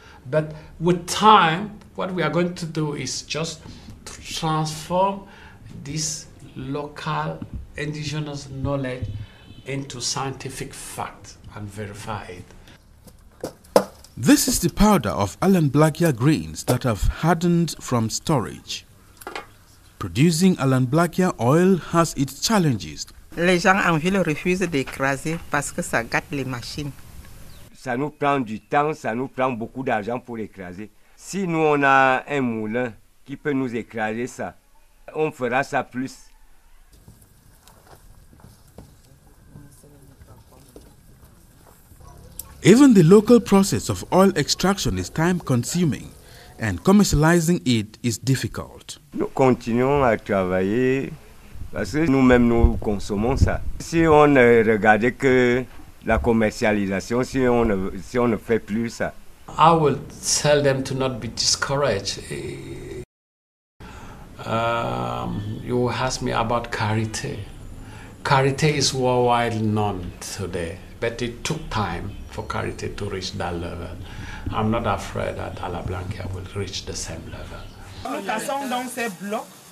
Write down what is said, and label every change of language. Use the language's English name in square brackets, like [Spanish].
[English] But with time, what we are going to do is just to transform this local indigenous knowledge into scientific fact and verify it. This is the powder of Allanblackia grains that have hardened from storage. Producing Allanblackia oil has its challenges. [French] Les gens en ville refusent d'écraser parce que ça gâte les machines. Ça nous prend du temps, ça nous prend beaucoup d'argent pour écraser. Si nous on a un moulin qui peut nous écraser ça, on fera ça plus. [English] Even the local process of oil extraction is time-consuming, and commercializing it is difficult. [French] Nous continuons à travailler parce que nous-mêmes nous consommons ça. Si on ne regardait que la commercialisation, si on ne fait plus ça. [English] I will tell them to not be discouraged. You ask me about karité. Karité is worldwide known today, but it took time for karité to reach that level. I'm not afraid that Allanblackia will reach the same level.